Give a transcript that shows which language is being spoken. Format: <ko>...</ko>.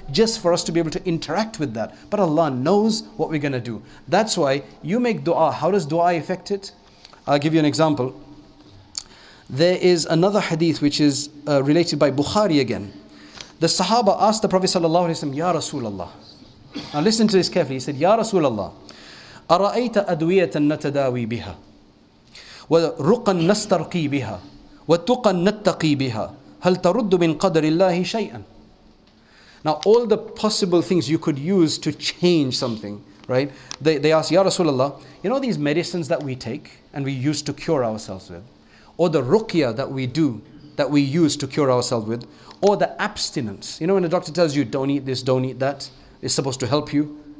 <en>Just for us to be able to interact with that. But Allah knows what we're going to do. That's why you make dua. How does dua affect it? I'll give you an example. There is another hadith which is related by Bukhari again. The Sahaba asked the Prophet sallallahu alaihi wasallam, Ya Rasulullah. Now listen to this carefully. He said,</en> <ar>Ya Rasulullah, أَرَأَيْتَ أَدْوِيَةً نَتَدَاوِي بِهَا وَرُقًا نَسْتَرْقِي بِهَا وَتُقًا نَتَّقِي بِهَا هَلْ تَرُدُّ مِنْ قَدْرِ اللَّهِ شَيْئًا.</ar> <en>Now all the possible things you could use to change something, right? They ask, Ya Rasulullah, you know these medicines that we take and we use to cure ourselves with, or the ruqya that we do, that we use to cure ourselves with, or the abstinence. You know when the doctor tells you, don't eat this, don't eat that, it's supposed to help you.</en>